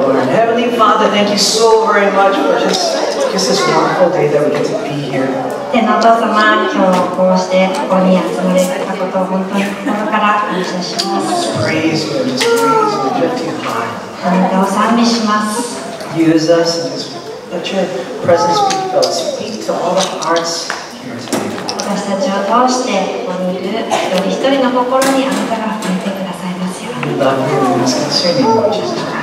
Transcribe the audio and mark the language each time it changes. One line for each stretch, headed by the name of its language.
English: Heavenly Father, thank you so very much for just this wonderful day that we get to be here.
Japanese: 天のお父様、今日こうしてここに集まれたことを本当に心から感謝します。
English: Just praise you, just praise you, just too high.
Japanese: あなたを賛美します。
English: Use us and just let your presence be felt. Speak to all the hearts here today.
Japanese: 私たちを通してここにいる一人一人の心にあなたが触れてくださいますように。
English: We love you and ask concerning you, Jesus.